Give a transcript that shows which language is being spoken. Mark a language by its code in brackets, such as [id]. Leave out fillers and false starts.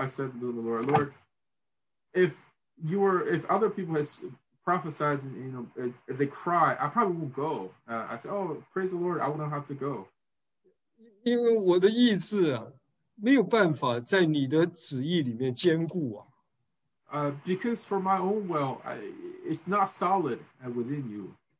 [en] I said to the Lord, Lord, if other people has prophesied, and, you know, if they cry, I probably won't go. I said, oh, praise the Lord, I will not have to go. [zh] 因为我的意志没有办法在你的旨意里面坚固啊。 [en] Because for my own will, it's not solid within you.